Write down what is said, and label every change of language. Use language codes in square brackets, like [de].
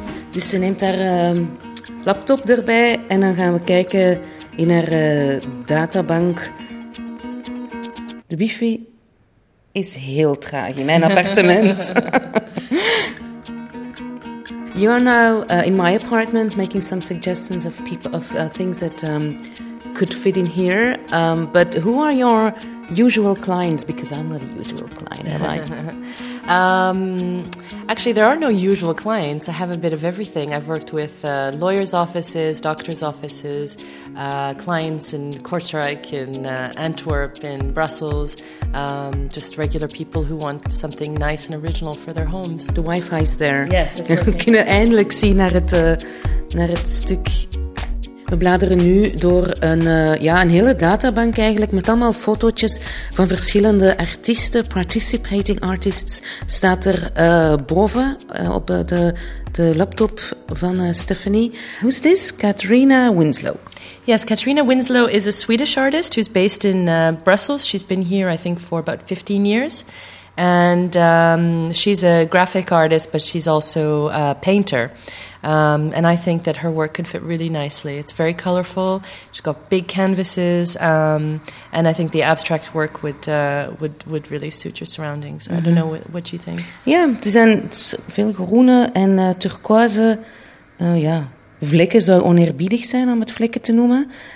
[nl] Dus ze neemt haar laptop erbij en dan gaan we kijken in haar databank. De wifi is heel traag in mijn appartement. [en] You are now in my apartment making some suggestions of people of things that could fit in here. But who are your usual clients? Because I'm not a usual client, am I? Actually, there are no usual clients. I have a bit of everything. I've worked with lawyers' offices, doctors' offices, clients in Kortrijk, in Antwerp, in Brussels, just regular people who want something nice and original for their homes. The Wi-Fi is there. Yes, it's working. [nl] We kunnen eindelijk zien naar het stuk. We bladeren nu door een hele databank eigenlijk met allemaal fotootjes van verschillende artiesten. [en] Participating artists [nl] staat er boven op de laptop van Stephanie. [en] Who's this? Katrina Winslow. Yes, Katrina Winslow is a Swedish artist who's based in Brussels. She's been here, I think, for about 15 years. And she's a graphic artist, but she's also a painter. And I think that her work can fit really nicely. It's very colorful. She's got big canvases, and I think the abstract work would really suit your surroundings. Mm-hmm. I don't know what you think. [nl] Yeah, er zijn veel groene en turquoise. Vlekken zou oneerbiedig zijn om het vlekken te noemen.